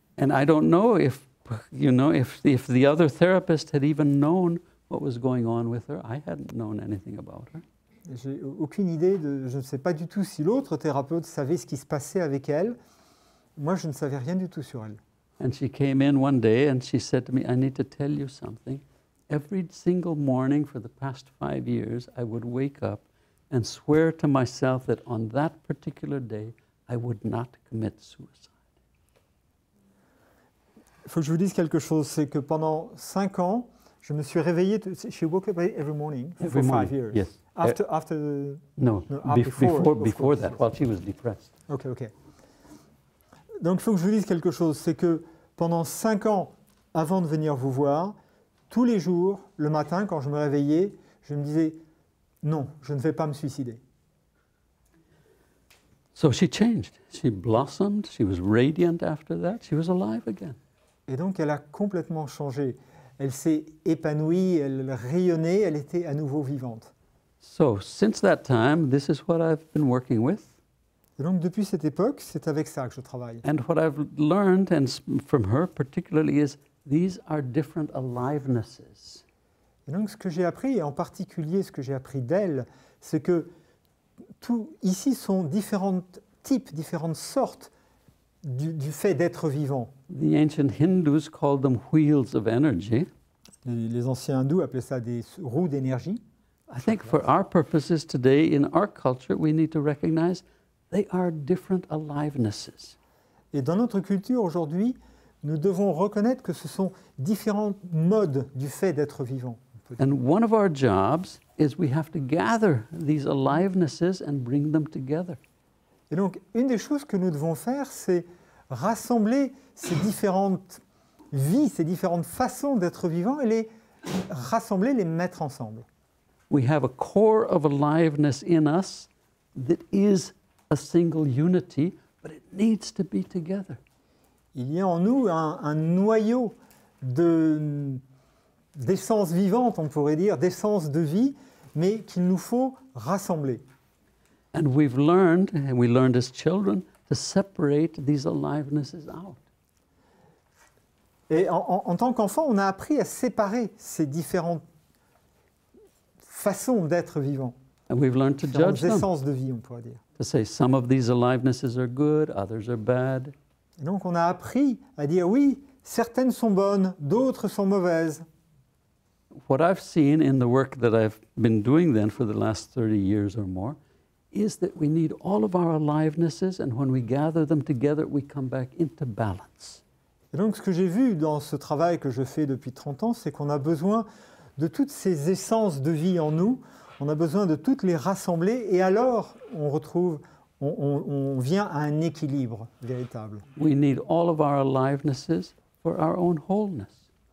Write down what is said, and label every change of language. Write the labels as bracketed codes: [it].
[en] And I don't know if the other therapist had even known what was going on with her. I hadn't known anything about her. [fr] J'ai aucune idée de. Je ne sais pas du tout si l'autre thérapeute savait ce qui se passait avec elle. Moi, je ne savais rien du tout sur elle. [en] And she came in one day and she said to me, I need to tell you something. Every single morning for the past 5 years, I would wake up and swear to myself that on that particular day, I would not commit suicide. [fr] Faut que je vous dise quelque chose, c'est que pendant 5 ans, je me suis réveillé, [en] she woke up every morning for 5 years. Yes. Before that, while she was depressed. Okay. [fr] Donc, il faut que je vous dise quelque chose, c'est que pendant 5 ans, avant de venir vous voir, tous les jours, le matin, quand je me réveillais, je me disais, non, je ne vais pas me suicider. [en] So she changed. She blossomed. She was radiant after that. She was alive again. [fr] Et donc, elle a complètement changé. Elle s'est épanouie, elle rayonnait, elle était à nouveau vivante. [en] So, since that time, this is what I've been working with. [fr] Et donc, depuis cette époque, c'est avec ça que je travaille. [en] And what I've learned, and from her particularly, is these are different alivenesses. [fr] Et donc, ce que j'ai appris, et en particulier ce que j'ai appris d'elle, c'est que tout ici sont différents types, différentes sortes du fait d'être vivant. [en] The ancient Hindus called them wheels of energy. [fr] Les anciens hindous appelaient ça des roues d'énergie. [en] I think for our purposes today, in our culture, we need to recognize they are different alivenesses. [fr] Et dans notre culture aujourd'hui, nous devons reconnaître que ce sont différents modes du fait d'être vivant. [en] And one of our jobs is we have to gather these alivenesses and bring them together. [fr] Et donc, une des choses que nous devons faire, c'est rassembler ces différentes vies, ces différentes façons d'être vivant et les rassembler, les mettre ensemble. [en] We have a core of aliveness in us that is a single unity, but it needs to be together. [fr] Il y a en nous un noyau d'essence vivante, on pourrait dire, d'essence de vie, mais qu'il nous faut rassembler. [en] And we've learned, and we learned as children, to separate these alivenesses out. [fr] Et en tant qu'enfant, on a appris à séparer ces différentes façons d'être vivant. [en] And we've learned to judge them. [fr] Essences de vie, on pourrait dire. [en] To say some of these alivenesses are good, others are bad. [fr] Et donc on a appris à dire oui, certaines sont bonnes, d'autres sont mauvaises. [en] What I've seen in the work that I've been doing then for the last 30 years or more is that we need all of our alivenesses and when we gather them together we come back into balance. [fr] Et donc ce que j'ai vu dans ce travail que je fais depuis 30 ans, c'est qu'on a besoin de toutes ces essences de vie en nous. On a besoin de toutes les rassembler et alors on vient à un équilibre véritable. [en] We need all of our alivenesses for our own wholeness.